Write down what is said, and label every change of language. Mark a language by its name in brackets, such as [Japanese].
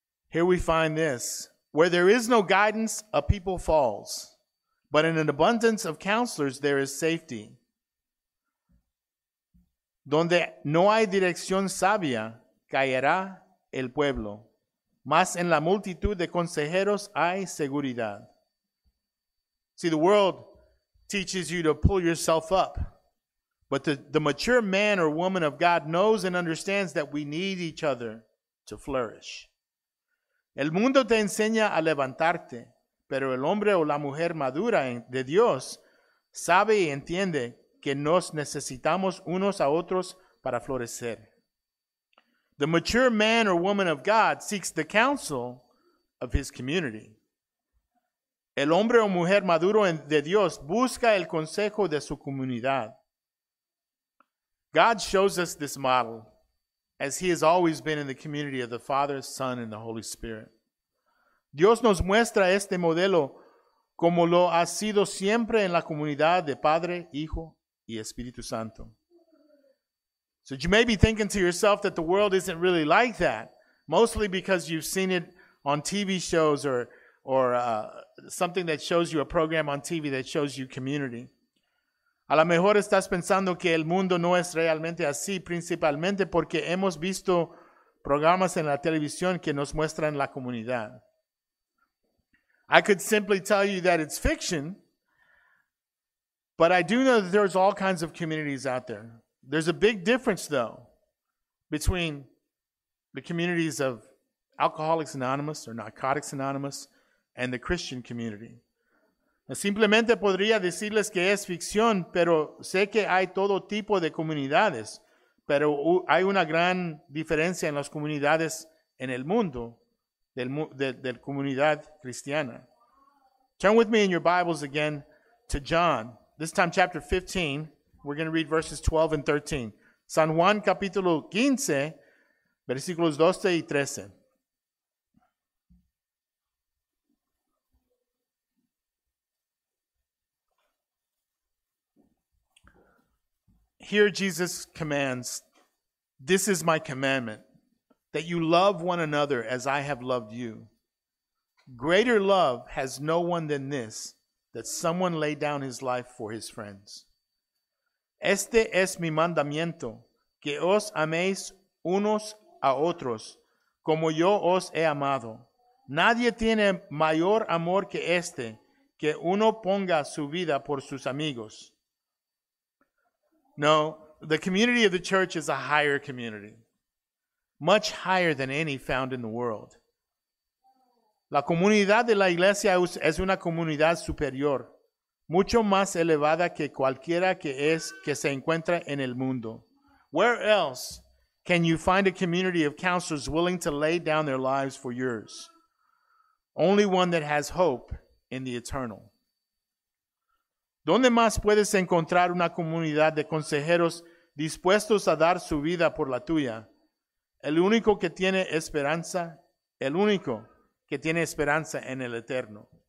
[English] Here we find this: "Where there is no guidance, a people falls, but in an abundance of counselors there is safety." [Spanish] Donde no hay dirección sabia, caerá el pueblo, mas en la multitud de consejeros hay seguridad. [English] See, the world teaches you to pull yourself up, but the mature man or woman of God knows and understands that we need each other to flourish. [Spanish] El mundo te enseña a levantarte, pero el hombre o la mujer madura de Dios sabe y entiende que nos necesitamos unos a otros para florecer. [English] The mature man or woman of God seeks the counsel of his community. [Spanish] El hombre o mujer maduro de Dios busca el consejo de su comunidad. [English] God shows us this model as he has always been in the community of the Father, Son, and the Holy Spirit. [Spanish] Dios nos muestra este modelo como lo ha sido siempre en la comunidad de Padre, Hijo, y Espíritu Santo. [English] So you may be thinking to yourself that the world isn't really like that, mostly because you've seen it on TV shows or something that shows you, a program on TV that shows you community. [Spanish] A lo mejor estás pensando que el mundo no es realmente así, principalmente porque hemos visto programas en la televisión que nos muestran la comunidad. [English] I could simply tell you that it's fiction, but I do know that there's all kinds of communities out there. There's a big difference, though, between the communities of Alcoholics Anonymous or Narcotics Anonymous and the Christian community. [Spanish] Simplemente podría decirles que es ficción, pero sé que hay todo tipo de comunidades, pero hay una gran diferencia en las comunidades en el mundo del comunidad cristiana. [English] Turn with me in your Bibles again to John. This time, chapter 15. We're going to read verses 12 and 13. [Spanish] San Juan, capítulo 15, versículos 12 y 13. [English] Here Jesus commands, "This is my commandment, that you love one another as I have loved you. Greater love has no one than this, that someone lay down his life for his friends. [Spanish] Este es mi mandamiento, que os améis unos a otros, como yo os he amado. Nadie tiene mayor amor que este, que uno ponga su vida por sus amigos." [English] No, the community of the church is a higher community, much higher than any found in the world. [Spanish] La comunidad de la iglesia es una comunidad superior, mucho más elevada que cualquiera que se encuentra en el mundo. [English] Where else can you find a community of counselors willing to lay down their lives for yours? Only one that has hope in the eternal. [Spanish] ¿Dónde más puedes encontrar una comunidad de consejeros dispuestos a dar su vida por la tuya? El único que tiene esperanza en el eterno.